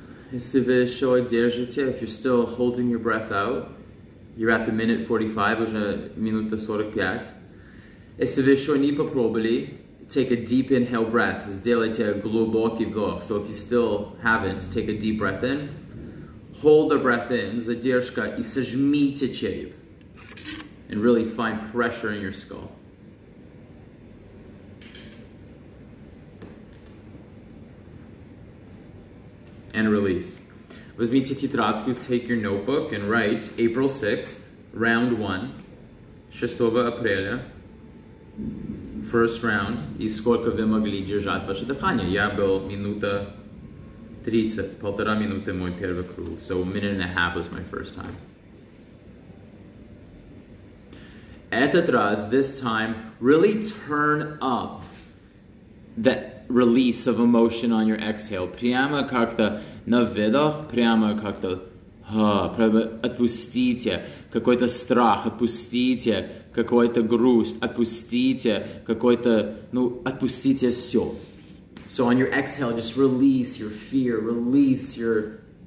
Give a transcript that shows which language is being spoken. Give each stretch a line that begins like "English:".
Russian: Если вы еще держите,
English: if you're still holding your breath out, you're at the minute 45,
Russian: уже минута 45. Если вы еще не попробовали,
English: take a deep inhale breath.
Russian: Сделайте глубокий вдох.
English: So if you still haven't, take a deep breath in. Hold the breath in,
Russian: задержка, и сожмите череп.
English: And really find pressure in your skull. And release.
Russian: Возьмите тетрадку,
English: take your notebook and write April 6th, round 1,
Russian: 6 апреля,
English: first round,
Russian: и сколько вы могли держать ваше дыхание. Я был минута 30, полтора минуты мой первый круг.
English: So a minute and a half was my first time.
Russian: Этот раз,
English: this time, really turn up that release of emotion on your exhale.
Russian: Прямо как-то на выдох, прямо как-то отпустите какой-то страх, отпустите какой-то грусть, отпустите какой-то, ну, отпустите все.
English: So on your exhale, just release your fear, release your...